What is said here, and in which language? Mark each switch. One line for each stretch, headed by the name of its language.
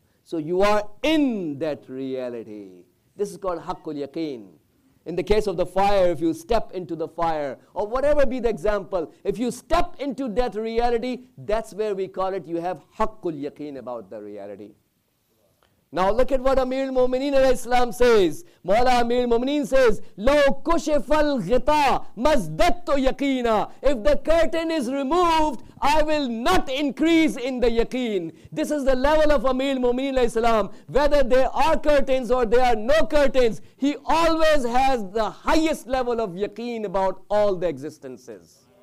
English: So you are in that reality. This is called haqqul yaqeen. In the case of the fire, if you step into the fire, or whatever be the example, if you step into that reality, that's where we call it, you have haqqul yaqeen about the reality. Now look at what Amir al-Mu'mineen al-Islam says. Mawla Amir al-Mu'mineen says,
Arabic: لو كشف الغطاء مزددت يقينا.
English: If the curtain is removed, I will not increase in the yaqeen. This is the level of Amir al-Mu'mineen al-Islam. Whether there are curtains or there are no curtains, he always has the highest level of yaqeen about all the existences.